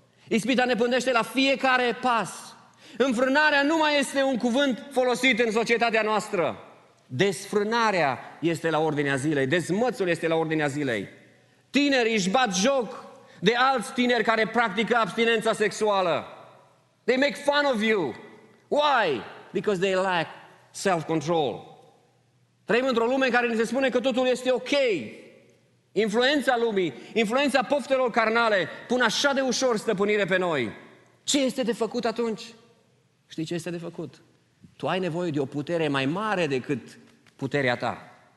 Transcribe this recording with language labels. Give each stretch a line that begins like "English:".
Romanian: Ispita ne pândește la fiecare pas. Înfrânarea nu mai este un cuvânt folosit în societatea noastră. Desfrânarea este la ordinea zilei, dezmățul este la ordinea zilei. Tineri își bat joc de alți tineri care practică abstinența sexuală.
English: They make fun of you. Why? Because they lack self-control.
Romanian: Trăim într-o lume în care ni se spune că totul este ok. Influența lumii, influența poftelor carnale pun așa de ușor stăpânire pe noi. Ce este de făcut atunci? Știi ce este de făcut? Tu ai nevoie de o putere mai mare decât puterea ta.